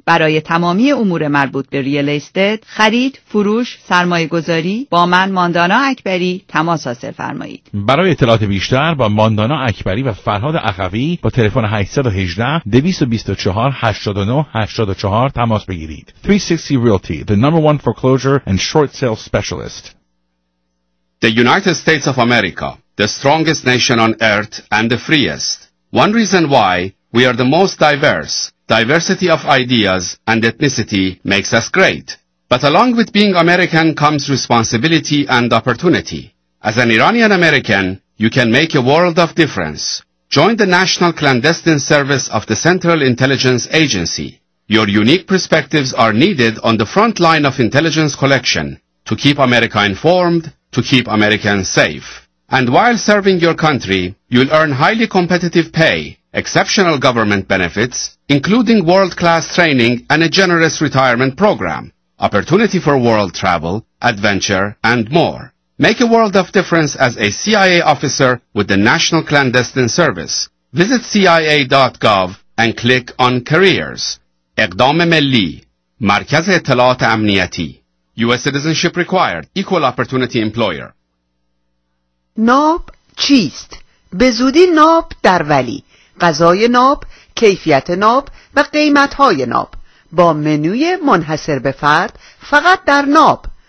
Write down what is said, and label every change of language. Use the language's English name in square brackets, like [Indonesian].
[Persian] برای تمامی امور مربوط به ریال استیت، خرید، فروش، سرمایه گذاری، با من ماندانا اکبری تماس حاصل فرمایید. برای اطلاعات بیشتر با ماندانا اکبری و فرهاد اخوی با تلفن 818-224-8984 تماس بگیرید. [English] 360 Realty, the number one foreclosure and short sale specialist. The United States of America, the strongest nation on earth and the freest. One reason why we are the most diverse. Diversity of ideas and ethnicity makes us great. But along with being American comes responsibility and opportunity. As an Iranian American, you can make a world of difference. Join the National Clandestine Service of the Central Intelligence Agency. Your unique perspectives are needed on the front line of intelligence collection to keep America informed, to keep Americans safe. And while serving your country, you'll earn highly competitive pay, exceptional government benefits, including world-class training and a generous retirement program, opportunity for world travel, adventure, and more. Make a world of difference as a CIA officer with the National Clandestine Service. Visit CIA.gov and click on Careers. [Persian] اقدام ملی مرکز اطلاعات امنیتی U.S. [English] Citizenship Required Equal Opportunity Employer. [Persian] ناب چیست؟ به زودی ناب در ولی، غذای ناب، کیفیت ناب و قیمت‌های ناب با منوی منحصر به فرد فقط در ناب.